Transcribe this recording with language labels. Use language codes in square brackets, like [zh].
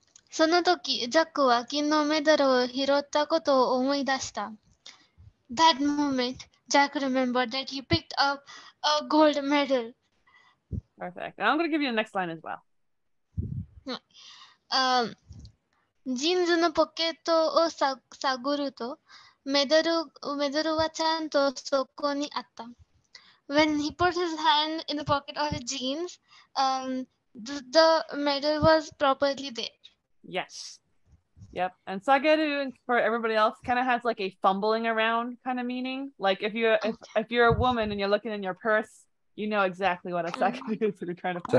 [ja] その時、ジャックは金のメダルを拾ったことを思い出した。 [en] That moment, Jack remembered that he picked up a gold medal. Perfect. I'm going to give you the next line as well. [ja] ジーンズのポケットを探ると、メダルはちゃんとそこにあった。 [en] When he put his hand in the pocket of his jeans, the medal was properly there. Yes. Yep. And Sageru, for everybody else, kind of has like a fumbling around kind of meaning. Like if you're a woman and you're looking in your purse, you know exactly what a Sageru is that you're trying to find.